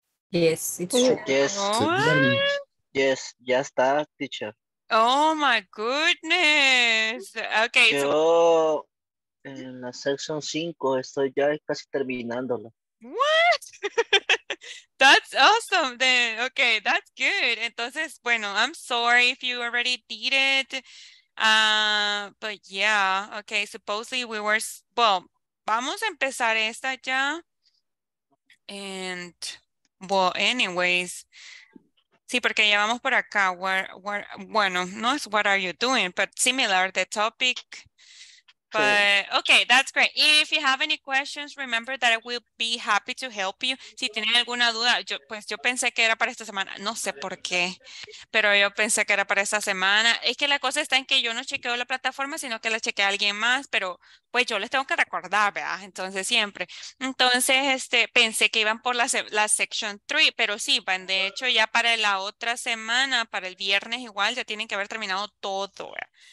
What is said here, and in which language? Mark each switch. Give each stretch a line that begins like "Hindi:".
English: Yes, it's true. Yes,
Spanish: ya está,
English: teacher. Oh, my goodness. Okay.
Spanish: Yo en la sección 5 estoy ya casi terminándolo.
English: What? That's awesome then. Okay, that's good.
Spanish: Entonces, bueno,
English: I'm sorry if you already did it. But yeah, okay, supposedly we were, well,
Spanish: vamos a empezar esta ya,
English: and, well, anyways,
Spanish: sí, porque ya vamos por acá, bueno, no es
English: what are you doing, but similar, the topic, but, okay, that's great. If you have any questions, remember that I will be happy to help you.
Spanish: Si tienen alguna duda, yo pensé que era para esta semana. No sé por qué, pero yo pensé que era para esta semana. Es que la cosa está en que yo no chequeo la plataforma, sino que la chequeé a alguien más, pero pues yo les tengo que recordar, ¿verdad? Entonces, siempre. Entonces, pensé que iban por la section 3, pero sí, van de hecho ya para la otra semana, para el viernes igual, ya tienen que haber terminado todo, ¿verdad?